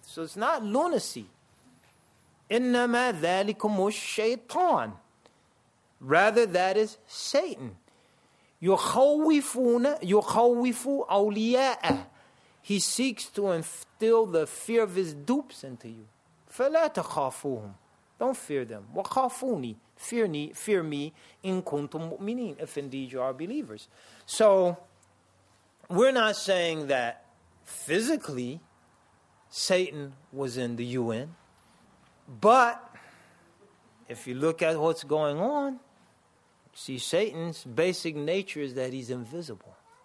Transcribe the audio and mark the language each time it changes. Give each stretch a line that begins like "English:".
English: So it's not lunacy.
Arabic: إِنَّمَا ذَلِكُمُ الشَّيْطَانِ.
English: Rather, that is Satan.
Arabic: يُخَوِّفُ أَوْلِيَاءَ.
English: He seeks to instill the fear of his dupes into you.
Arabic: فَلَا تَخَافُوهُمْ.
English: Don't fear them.
Arabic: وَخَافُونِي.
English: Fear me
Arabic: إِن كُنتُم مُؤْمِنِينَ.
English: If indeed you are believers. So, we're not saying that physically Satan was in the UN. But, if you look at what's going on, see, Satan's basic nature is that he's invisible.